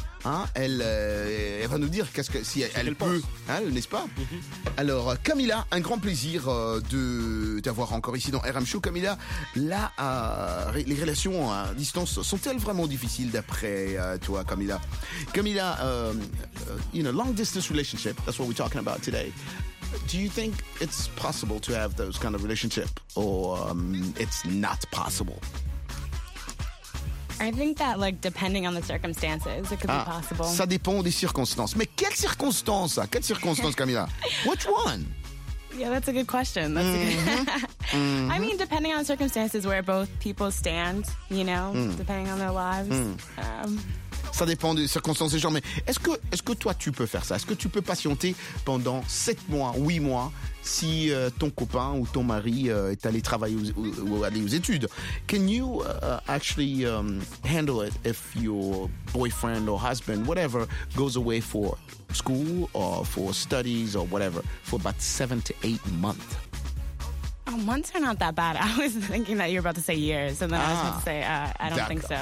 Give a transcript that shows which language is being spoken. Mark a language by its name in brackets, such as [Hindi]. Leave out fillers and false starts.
[French] Hein, elle va nous dire si elle peut, n'est-ce pas? Alors, Camila, un grand plaisir de t'avoir encore ici dans RM Show. Camila, là, les relations à distance sont-elles vraiment difficiles d'après toi, Camila? [English] Camila, in a long distance relationship, that's what we're talking about today. Do you think it's possible to have those kind of relationship or it's not possible? I think that, like, depending on the circumstances, it could be possible. [French] Ça dépend des circonstances. Mais quelles circonstances, ça? Quelles circonstances, Camila? [English] Which one? Yeah, that's a good question. That's a good... I mean, depending on the circumstances where both people stand, you know, depending on their lives. [French] Ça dépend des circonstances des gens. Mais est-ce que toi, tu peux faire ça? Est-ce que tu peux patienter pendant 7 mois, 8 mois, si ton copain ou ton mari est allé travailler ou aller aux études? [English] Can you actually handle it if your boyfriend or husband, whatever, goes away for school or for studies or whatever for about 7 to 8 months? Months are not that bad. I was thinking that you were about to say years, and then I was about to say I don't think so.